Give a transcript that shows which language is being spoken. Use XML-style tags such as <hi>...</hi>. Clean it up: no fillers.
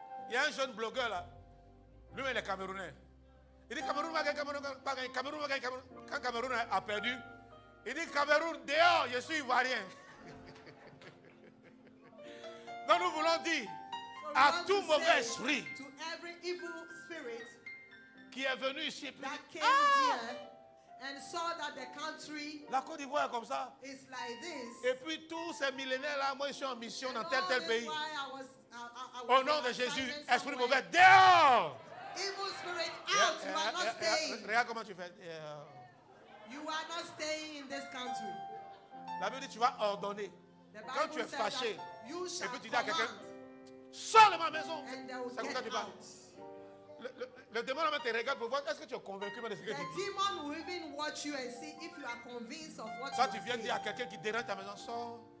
<fr>Il y a un jeune blogueur là. Lui, il est Camerounais. Il dit Cameroun va gagner, Cameroun va gagner, Cameroun va gagner, Cameroun. Quand Cameroun a perdu, il dit Cameroun, dehors, je suis ivoirien. Donc nous voulons dire à tout mauvais esprit</fr> <en>to every evil spirit</en> <fr>qui est venu ici</fr> <en>that came here and saw that the country</en> <fr>La Côte d'Ivoire est comme ça.</fr> <en>Is like this.</en> <fr>Et puis tous ces millénaires-là, moi je suis en mission</fr> <en>and</en> <fr>dans tel pays.</fr> <en>I was</en> <fr>Au nom de Jésus, esprit mauvais, dehors!</fr> <en>Evil spirit out, you are not staying.</en> <fr>Regarde comment tu fais.</fr> <en>You are not staying in this country.</en> <fr>La Bible dit tu vas ordonner. Quand tu es fâché,</fr> <en>you shall</en> <fr>et puis tu dis à quelqu'un, sors de ma maison. C'est comme ça tu parles. Le démon là-bas te regarde pour voir est-ce que tu es convaincu de ce que tu dis.</fr> <en>The demon will even watch you and see if you are convinced of what</en> <fr>Toi, tu viens dire à quelqu'un qui dérange ta maison, sors.</fr>